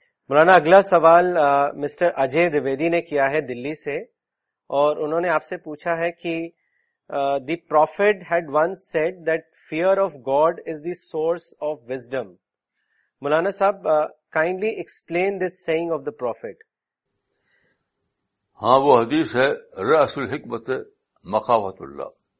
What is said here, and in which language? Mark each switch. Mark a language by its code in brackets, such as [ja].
[ur] مولانا اگلا سوال مسٹر اجے دیویدی نے کیا ہے دلی سے اور انہوں نے آپ سے پوچھا ہے کہ [en] The prophet had once said that fear of God is the source of wisdom. [ur] مولانا صاحب [en] Kindly explain this saying of the prophet. [ur] ہاں وہ حدیث ہے [ar] رأس الحکمت مخافت اللہ.